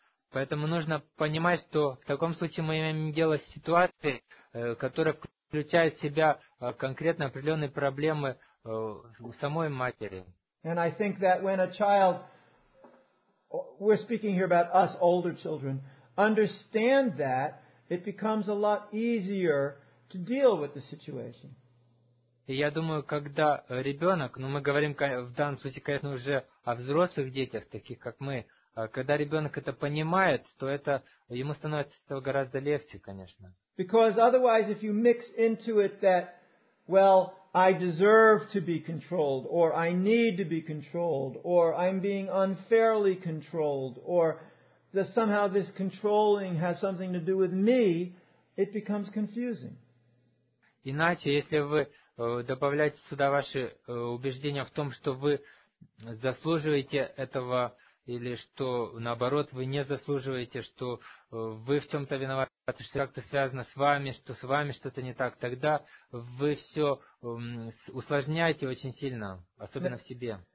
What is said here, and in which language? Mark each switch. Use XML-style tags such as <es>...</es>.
<ru>Поэтому нужно понимать, что в таком случае мы имеем дело с ситуацией, которая включает в себя конкретно определенные проблемы у самой матери.</ru> <en>And I think that when a child, we're speaking here about us older children, understand that, it becomes a lot easier to deal with the situation.</en> <ru>И я думаю, когда ребенок, ну мы говорим в данном случае, конечно, уже о взрослых детях, таких как мы, когда ребенок это понимает, то это ему становится гораздо легче, конечно.</ru> <en>Because otherwise, if you mix into it that, well, I deserve to be controlled, or I need to be controlled, or I'm being unfairly controlled, or that somehow this controlling has something to do with me, it becomes confusing.</en> <ru>Иначе, если вы добавляете сюда ваши убеждения в том, что вы заслуживаете этого, или что, наоборот, вы не заслуживаете, что вы в чем-то виноваты, что как-то связано с вами, что с вами что-то не так, тогда вы все усложняете очень сильно, особенно в себе.</ru>